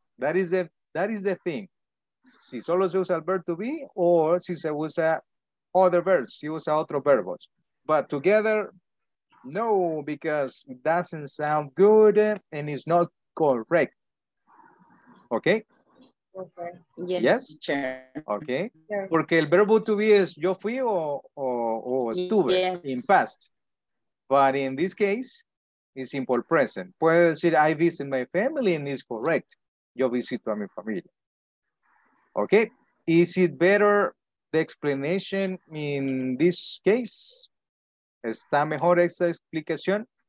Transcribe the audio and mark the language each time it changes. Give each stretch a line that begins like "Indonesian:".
English: That is the thing.
Spanish: Si solo se usa el verb to be or si se usa
English: other verbs,
Spanish: si usa otro verbos.
English: But together, no, because it doesn't sound good and it's not correct. Okay? Okay. Yes. Okay. Yeah.
Spanish: Porque el verbo to be es yo fui o estuve,
English: yes. In past. But in this case, it's simple present.
Spanish: Puede decir,
English: I visit my family, and it's correct.
Spanish: Yo visito a mi familia.
English: Okay. Is it better, the explanation in this case?
Spanish: ¿Está mejor esta explicación?